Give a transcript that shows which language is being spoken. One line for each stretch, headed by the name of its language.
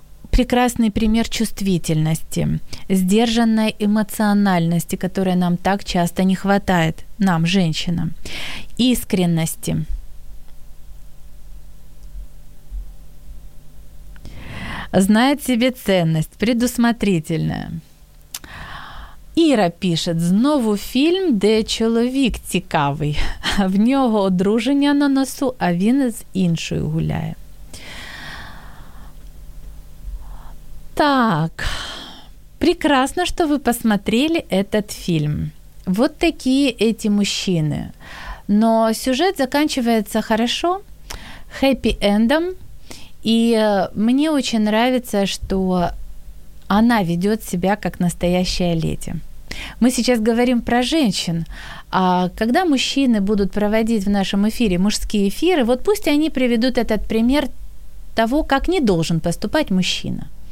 Russian: Прекрасный пример чувствительности, сдержанной эмоциональности, которой нам так часто не хватает, нам, женщинам, искренности. Знает себе ценность, предусмотрительная.
Ukrainian: Іра пише, знову фільм, де чоловік цікавий. В нього одруження на носу, а він з іншою гуляє. Так, прекрасно, що ви
Russian: посмотрели этот
Ukrainian: фільм.
Russian: Вот такі эти мужчины. Но сюжет заканчивается хорошо, хэппі-эндом. И мне очень нравится, что она ведет себя как настоящая леди. Мы сейчас говорим про женщин. А когда мужчины будут проводить в нашем эфире мужские эфиры, вот пусть они приведут этот пример того, как не должен поступать мужчина.